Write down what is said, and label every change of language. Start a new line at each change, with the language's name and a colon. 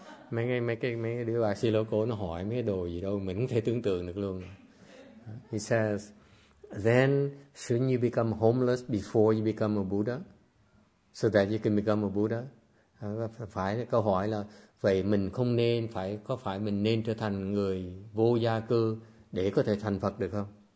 Vietnamese: Mấy đứa bicycle cô nó hỏi mấy đồ gì đâu, mình không thể tưởng tượng được luôn.
English: He says, then shouldn't you become homeless before you become a Buddha? So that you can become a Buddha?
Vietnamese: Phải câu hỏi là vậy mình không nên phải có phải mình nên trở thành người vô gia cư để có thể thành Phật được không?